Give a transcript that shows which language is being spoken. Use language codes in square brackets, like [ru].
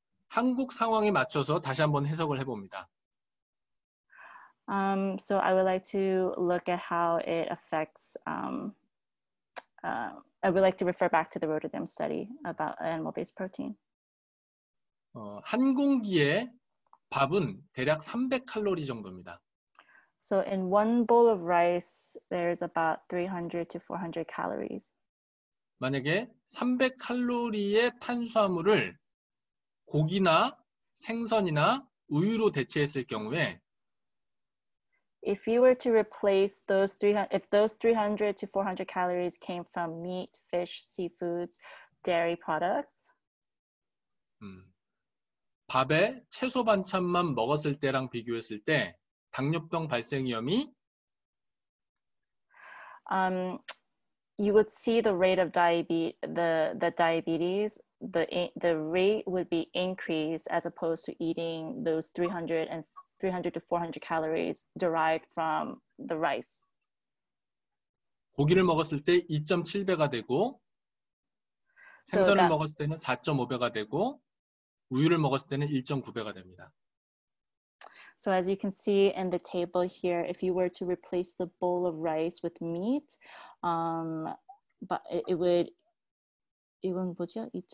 [ko] 한국 상황에 맞춰서 다시 한번 해석을 해봅니다. [en] So I would like to look at how it affects. I would like to refer back to the Rotterdam study about animal-based protein. [ko] 한 공기의 밥은 대략 300칼로리 정도입니다. [en] So in one bowl of rice, there is about 300 to 400 calories. [ko] 만약에 300칼로리의 탄수화물을 고기나 생선이나 우유로 대체했을 경우에 [en] If you were to replace those 300, if those 300 to 400 calories came from meat, fish, seafoods, dairy products, [ko] 밥에 채소 반찬만 먹었을 때랑 비교했을 때 당뇨병 발생 위험이 [en] you would see the rate of diabetes rate would be increased as opposed to eating those 300 to 400 calories derived from the rice. [ko] 고기를 먹었을 때 2.7배가 되고 생선을 먹었을 때는 4.5배가 되고 우유를 먹었을 때는 1.9배가 됩니다. [en] So as you can see in the table here, if you were to replace the bowl of rice with meat, but it would [ko] 이건 뭐죠?